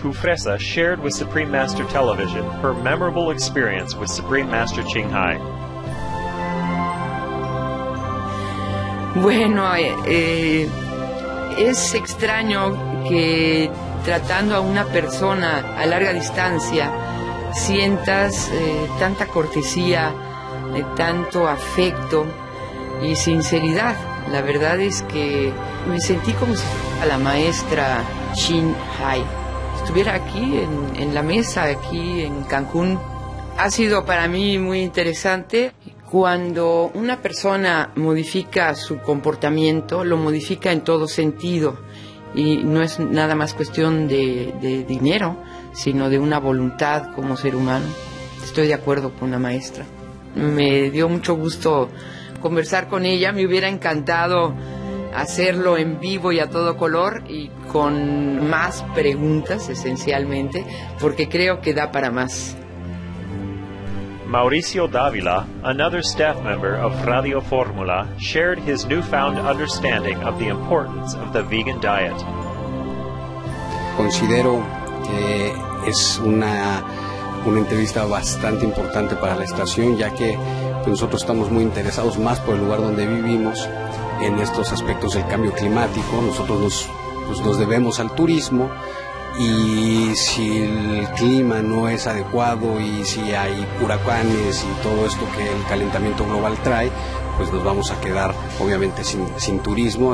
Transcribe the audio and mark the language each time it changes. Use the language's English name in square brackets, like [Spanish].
[English] Jufresa shared with Supreme Master Television her memorable experience with Supreme Master Ching Hai. [Spanish] Bueno, es extraño que tratando a una persona a larga distancia sientas tanta cortesía, tanto afecto y sinceridad. La verdad es que me sentí como si fuera la maestra Ching Hai estuviera aquí en la mesa, aquí en Cancún. Ha sido para mí muy interesante. Cuando una persona modifica su comportamiento, lo modifica en todo sentido. Y no es nada más cuestión de dinero, sino de una voluntad como ser humano. Estoy de acuerdo con la maestra. Me dio mucho gusto conversar con ella. Me hubiera encantado hacerlo en vivo y a todo color y con más preguntas, esencialmente, porque creo que da para más. [English] Mauricio Dávila, another staff member of Radio Fórmula, shared his newfound understanding of the importance of the vegan diet. [Spanish] Considero que es una entrevista bastante importante para la estación, ya que nosotros estamos muy interesados más por el lugar donde vivimos en estos aspectos del cambio climático. Nosotros nos debemos al turismo, y si el clima no es adecuado y si hay huracanes y todo esto que el calentamiento global trae, pues nos vamos a quedar obviamente sin turismo.